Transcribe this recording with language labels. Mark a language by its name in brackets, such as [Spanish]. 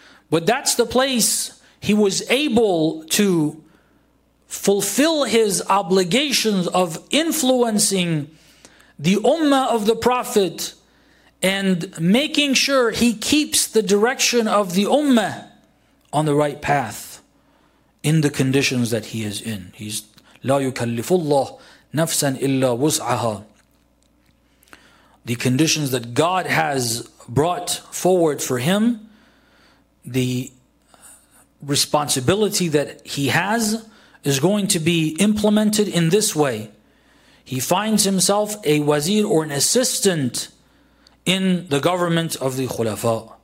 [English] But that's the place he was able to fulfill his obligations of influencing the ummah of the Prophet and making sure he keeps the direction of the ummah on the right path in the conditions that he is in. [Arabic] He's لا يكلف الله نفسا إلا وسعها. [English] The conditions that God has brought forward for him, the responsibility that he has, is going to be implemented in this way. He finds himself a wazir or an assistant in the government of the Khulafa.